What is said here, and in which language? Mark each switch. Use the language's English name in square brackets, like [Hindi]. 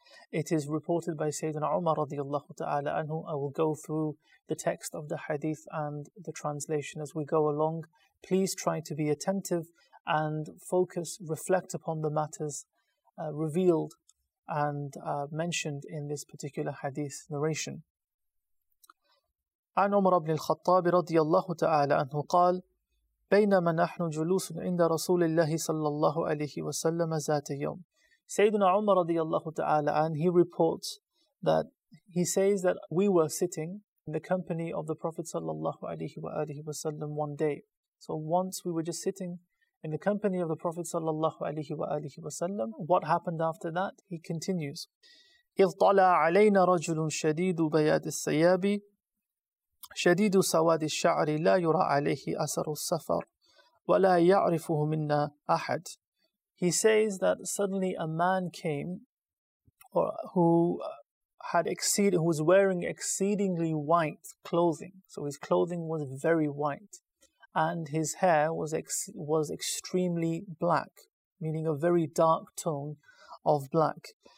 [English] It is reported by Sayyidina Umar radiallahu ta'ala anhu. I will go through the text of the hadith and the translation as we go along. Please try to be attentive and focus, reflect upon the matters revealed and mentioned in this particular hadith narration. [Arabic] عن عمر بن الخطاب رضي الله تعالى عنه قال بينما نحن جلوس عند رسول الله صلى الله عليه وسلم ذات يوم. سيدنا عمر رضي الله تعالى عنه, [English] he reports that he says that we were sitting in the company of the Prophet صلى الله عليه وآله وسلم one day. So once we were just sitting in the company of the Prophet صلى الله عليه وآله وسلم. What happened after that? He continues. [Arabic] إذ طلع علينا رجل شديد بياد الثياب شديد سواد الشعر لا يرى عليه أثر السفر ولا يعرفه منا أحد. [English] He says that suddenly a man came, or who had who was wearing exceedingly white clothing. So his clothing was very white, and his hair was extremely black, meaning a very dark tone of black.